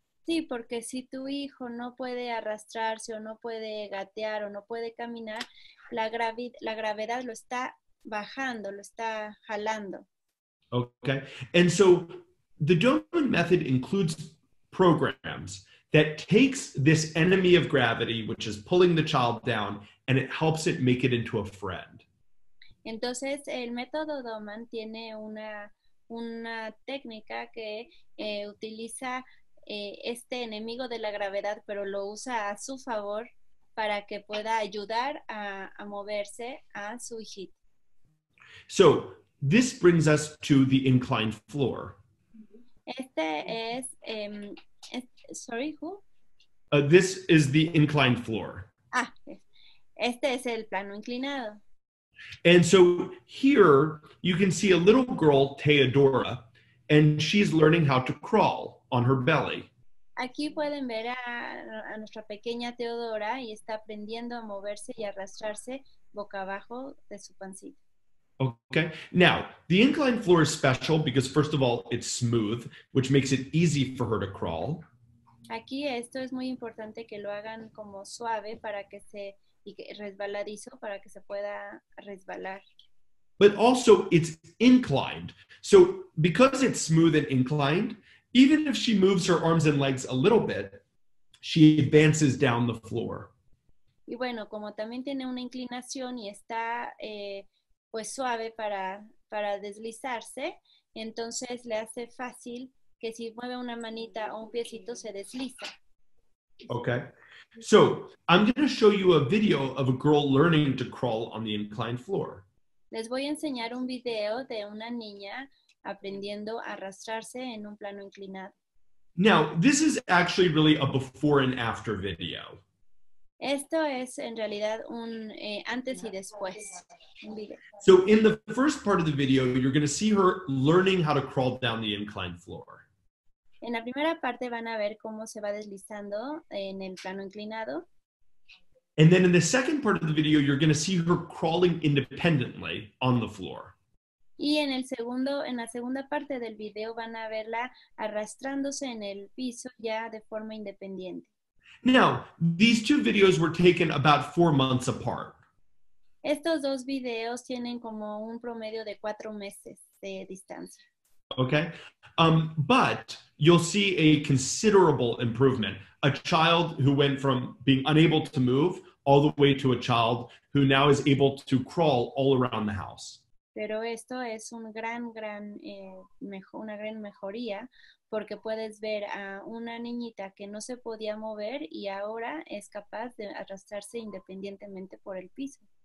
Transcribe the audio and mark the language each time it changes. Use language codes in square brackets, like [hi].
[es] Sí, porque si tu hijo no puede arrastrarse o no puede gatear o no puede caminar, la gravedad lo está bajando, lo está jalando. Okay. [en] And so the Doman method includes programs that takes this enemy of gravity, which is pulling the child down, and it helps it make it into a friend. [es] Entonces, el método Doman tiene una técnica que utiliza este enemigo de la gravedad, pero lo usa a su favor para que pueda ayudar a moverse a su hijito. [en] So, this brings us to the inclined floor. [es] Este es... [en] sorry, who? This is the inclined floor. [es] Ah, este es el plano inclinado. [en] And so here you can see a little girl, Teodora, and she's learning how to crawl on her belly. [es] Aquí pueden ver a nuestra pequeña Teodora y está aprendiendo a moverse y arrastrarse boca abajo de su pancita. Okay. [en] Now, the inclined floor is special because, first of all, it's smooth, which makes it easy for her to crawl. [es] Aquí esto es muy importante que lo hagan como suave para que se y resbaladizo para que se pueda resbalar. [en] But also it's inclined. So because it's smooth and inclined, even if she moves her arms and legs a little bit, she advances down the floor. [es] Y bueno, como también tiene una inclinación y está pues suave para deslizarse, entonces le hace fácil que si mueve una manita o un piecito se desliza. Okay. [en] So, I'm going to show you a video of a girl learning to crawl on the inclined floor. [es] Les voy a enseñar un video de una niña aprendiendo a arrastrarse en un plano inclinado. [en] Now, this is actually really a before and after video. [es] Esto es en realidad un antes y después. Un video. [en] So, in the first part of the video, you're going to see her learning how to crawl down the inclined floor. [es] En la primera parte van a ver cómo se va deslizando en el plano inclinado. [en] And then in the second part of the video, you're going to see her crawling independently on the floor. [es] Y en el segundo, en la segunda parte del video van a verla arrastrándose en el piso ya de forma independiente. [en] Now, these two videos were taken about 4 months apart. [es] Estos dos videos tienen como un promedio de 4 meses de distancia. [en] Okay. But you'll see a considerable improvement. A child who went from being unable to move all the way to a child who now is able to crawl all around the house. [es] Pero esto es un gran mejoría, porque puedes ver a una niñita que no se podía mover y ahora es capaz de arrastrarse independientemente por el piso.